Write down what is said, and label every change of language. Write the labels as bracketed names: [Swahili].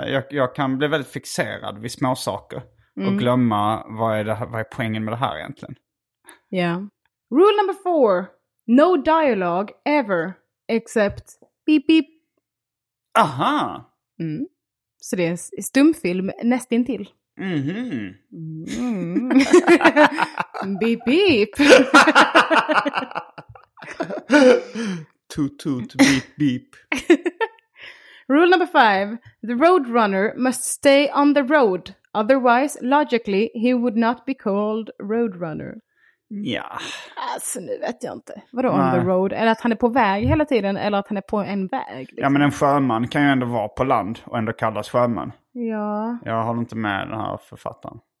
[Swedish] Jag kan bli väldigt fixerad vid små saker och glömma vad är poängen med det här egentligen. [English] Ja. Yeah. Rule number four. No dialogue ever except beep beep. Aha! Mm. [Swedish] Så det är en stumfilm nästintill. Mm-hmm. Mm. Beep beep. Toot toot beep beep. [English] Rule number five. The roadrunner must stay on the road. Otherwise, logically, he would not be called roadrunner. [Swedish] Ja. Alltså, nu vet jag inte. Vadå [English] on the road? [Swedish] Eller att han är på väg hela tiden? Eller att han är på en väg? Liksom? Ja, men en sjöman kan ju ändå vara på land och ändå kallas sjöman. Ja. Jag håller inte med den här författaren.